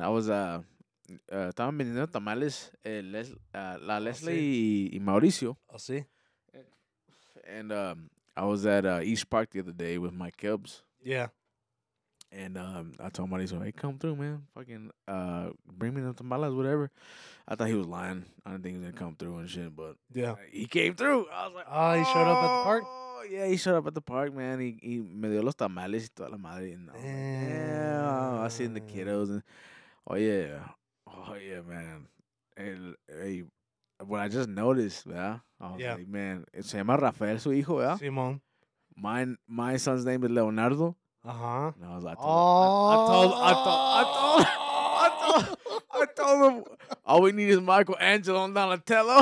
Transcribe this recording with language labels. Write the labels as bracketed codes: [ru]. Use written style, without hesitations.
[en] I was, [es] estaban vendiendo tamales, la Leslie y Mauricio. [en] I'll see. And I was at East Park the other day with Mike Kibbs. Yeah. And I told Mauricio, hey, come through, man. Fucking bring me the tamales, whatever. I thought he was lying. I didn't think he was going to come through and shit, but yeah, he came through. I was like, oh, he showed up at the park? Yeah, he showed up at the park, man. He [es] me dio los tamales y toda la madre. [en] And I was like, I seen the kiddos. And oh, yeah. Oh, yeah, man. Hey, what I just noticed, man. I was like, man, [es] se llama Rafael, su hijo, ¿verdad? Simón. [en] My son's name is Leonardo. Uh-huh. And I was like, I told him all we need is Michelangelo and Donatello.